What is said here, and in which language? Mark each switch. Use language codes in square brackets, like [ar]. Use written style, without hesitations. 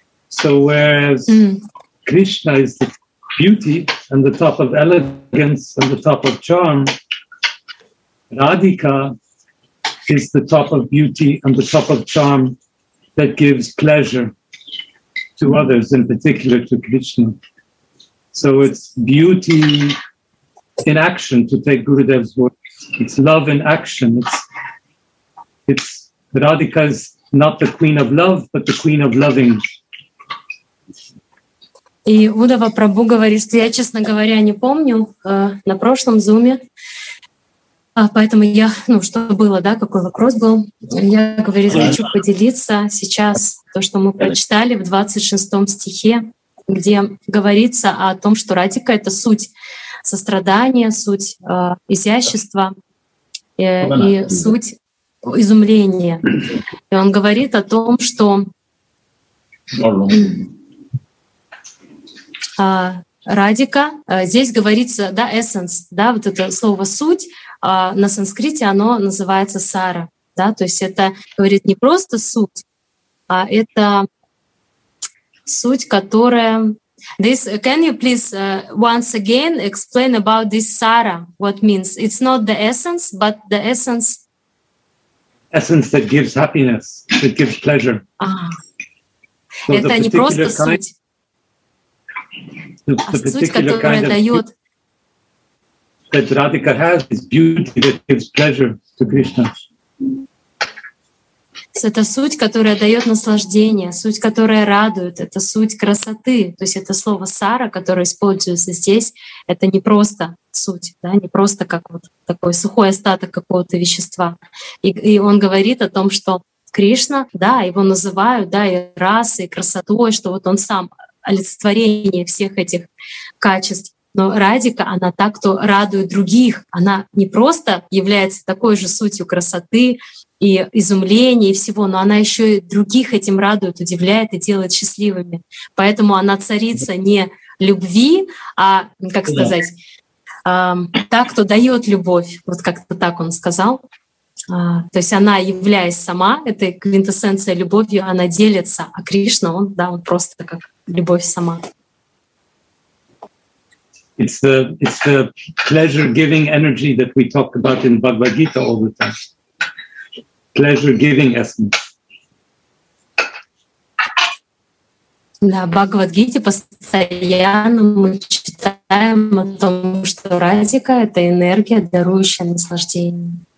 [en] So whereas Krishna is the beauty and the top of elegance and the top of charm, Radhika is the top of beauty and the top of charm that gives pleasure to others, in particular to Krishna. So it's beauty in action, to take Gurudev's words. It's love in action. It's Radhika is not the queen of love, but the queen of loving. [ru] И Удава Прабу говорит, что я, честно говоря, не помню на прошлом зуме, поэтому я, ну что было, да, какой вопрос был, я говорю, хочу поделиться сейчас то, что мы прочитали в 26 стихе, где говорится о том, что Радхика — это суть сострадания, суть изящества и суть изумления. И он говорит о том, что Радхика, здесь говорится, да, essence, да, вот это слово «суть», на санскрите оно называется «сара», да, то есть это, говорит, не просто суть, а это… Суть, которая... [en] This, can you please once again explain about this sara, what means? It's not the essence, but the essence... Essence that gives happiness, that gives pleasure. [ru] So это не просто kind, суть, the, а суть, которая дает... [en] That Radhika has is beauty that gives pleasure to Krishna. [ru] Это суть, которая дает наслаждение, суть, которая радует, это суть красоты. То есть это слово сара, которое используется здесь, это не просто суть, да, не просто как вот такой сухой остаток какого-то вещества. И он говорит о том, что Кришна, да, его называют, да, и расой, и красотой, что вот он сам олицетворение всех этих качеств. Но Радхика, она та, кто радует других. Она не просто является такой же сутью красоты и изумления и всего, но она еще и других этим радует, удивляет и делает счастливыми. Поэтому она царица не любви, а, как сказать, та, кто дает любовь. Вот как-то так он сказал. То есть она, являясь сама этой квинтэссенцией любовью, она делится, а Кришна, он просто как любовь сама. [en] It's the pleasure-giving energy that we talk about in Bhagavad Gita all the time. Pleasure-giving essence. [ru] Да, Бхагавад Гите постоянно мы читаем о том, что радика — это энергия, дарующая наслаждение.